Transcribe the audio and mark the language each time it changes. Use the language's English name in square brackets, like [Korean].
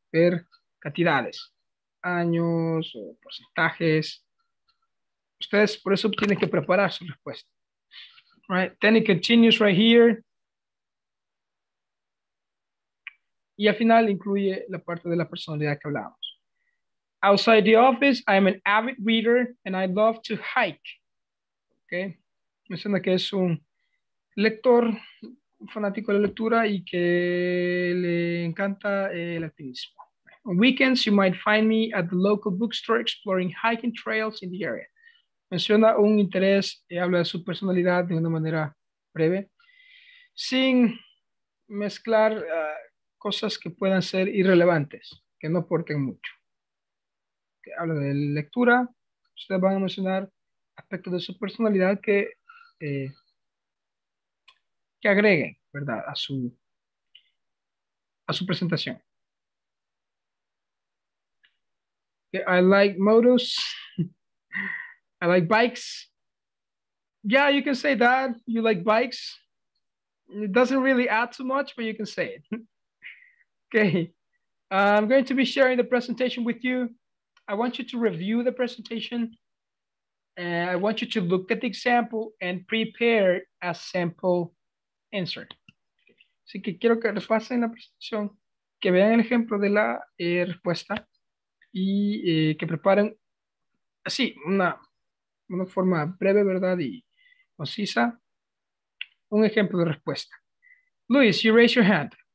[Spanish] Ver cantidades, años o porcentajes. Ustedes por eso tienen que preparar su respuesta. Right. [English] Then it continues right here. [Spanish] Y al final incluye la parte de la personalidad que hablábamos. [English] Outside the office, I'm an avid reader and I love to hike. Okay. [Spanish] Menciona que es un lector, un fanático de la lectura y que le encanta el activismo. [English] On weekends, you might find me at the local bookstore exploring hiking trails in the area. [Spanish] Menciona un interés y habla de su personalidad de una manera breve. Sin mezclar cosas que puedan ser irrelevantes, que no aporten mucho. Okay, hablo de lectura, ustedes van a mencionar aspectos de su personalidad que agreguen, ¿verdad?, a su presentación. [English] Okay, I like motors. I like bikes. Yeah, you can say that. You like bikes. It doesn't really add too much, but you can say it. Okay. I'm going to be sharing the presentation with you. I want you to review the presentation. And I want you to look at the example and prepare a sample answer. [Spanish] Así que quiero que repasen la presentación, que vean el ejemplo de la respuesta y que preparen así una forma breve, ¿verdad? Y concisa, un ejemplo de respuesta. [English] Luis, you raise your hand.